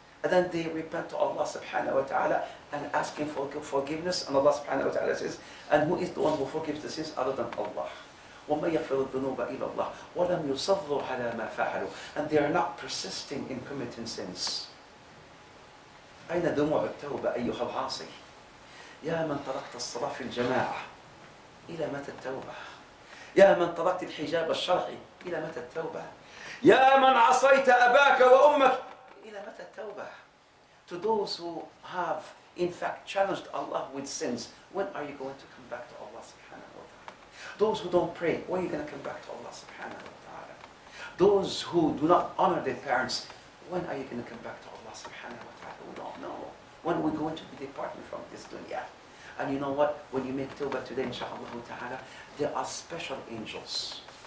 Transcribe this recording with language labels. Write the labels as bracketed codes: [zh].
[en] And then they repent to Allah subhanahu wa ta'ala and ask Him for forgiveness. And Allah subhanahu wa ta'ala says, and who is the one who forgives the sins other than Allah? [ar] وَمَنْ يَغْفِرُ الذُّنُوبَ إِلَى اللَّهِ وَلَمْ يُصَرُّوا عَلَى مَا فَعَلُوا. [en] And they are not persisting in committing sins. [ar] أَيْنَ دُمُعُ التَّوْبَ أَيُّهَا الْعَاصِي يَا مَنْ تَرَكْتَ الصَّلَاةَ فِي الْجَمَاعَةِ إِلَى مَتَى التَّوْبَةُ يا من تركت الحجاب الشرعي إلى متى التوبة؟ يا من عصيت أباك وأمك إلى متى التوبة؟ [en] To those who have in fact challenged Allah with sins, when are you going to come back to Allah subhanahu wa ta'ala? Those who don't pray, when are you going to come back to Allah subhanahu wa ta'ala? Those who do not honor their parents, when are you going to come back to Allah subhanahu wa ta'ala? We don't know. When are we going to be departing from this dunya? And you know what? When you make tawbah today, inshaAllah ta'ala, there are special angels.